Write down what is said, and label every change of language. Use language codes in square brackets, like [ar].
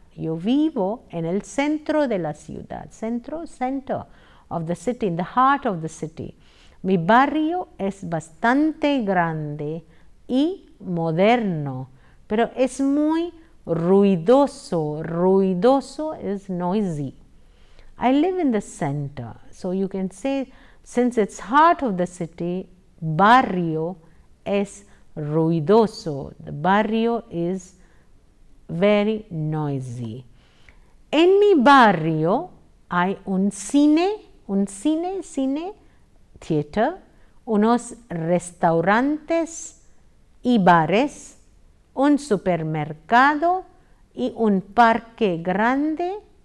[es] Yo vivo en el centro de la ciudad. [en] Centro, center of the city, in the heart of the city. [es] Mi barrio es bastante grande y moderno, pero es muy ruidoso. [en] Ruidoso is noisy. I live in the center. So you can say, since it's heart of the city, [es] barrio es ruidoso. [en] The barrio is very noisy. [es] En mi barrio hay un cine, theater, unos restaurantes y bares, un supermercado y un parque grande.